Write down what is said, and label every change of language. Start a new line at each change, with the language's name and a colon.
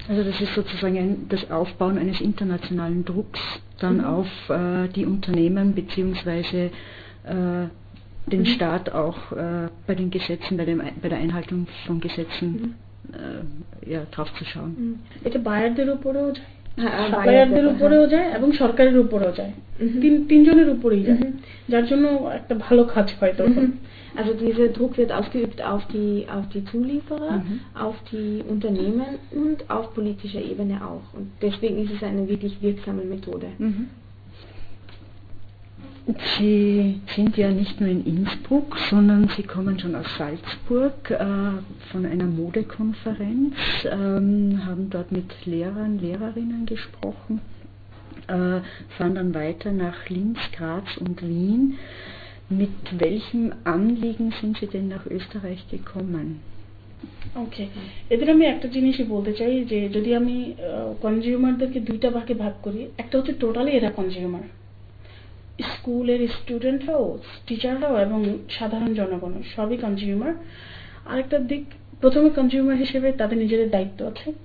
German: Also das ist sozusagen das Aufbauen eines internationalen Drucks dann auf die Unternehmen bzw. den Staat auch bei den Gesetzen, bei der Einhaltung von Gesetzen drauf zu schauen. এটা বায়ারদের উপরেও যায়, সাপ্লায়ারদের উপরেও যায় এবং সরকারের উপরেও যায়, তিনজনের উপরেই যায়, যার জন্য একটা ভালো কাজ হয় তখন। Also dieser Druck wird ausgeübt auf die Zulieferer, auf die Unternehmen und auf politischer Ebene auch. Und deswegen ist es eine wirklich wirksame Methode. Sie sind ja nicht nur in Innsbruck, sondern Sie kommen schon aus Salzburg von einer Modekonferenz, haben dort mit Lehrern, Lehrerinnen gesprochen, fahren dann weiter nach Linz, Graz und Wien. Mit welchem Anliegen sind Sie denn nach Österreich gekommen?
Bangla: Okay, এদের আমি একটা জিনিসই বলতে চাই যে যদি আমি কনজিউমারদেরকে দুইটা ভাগে ভাগ করি, একটা হচ্ছে টোটালি এরা কনজিউমার, স্কুলের স্টুডেন্টরাও টিচাররাও এবং সাধারণ জনগণ সবই কনজিউমার। আরেকটা দিক, প্রথমে কনজিউমার হিসেবে তাদের নিজেদের দায়িত্ব আছে।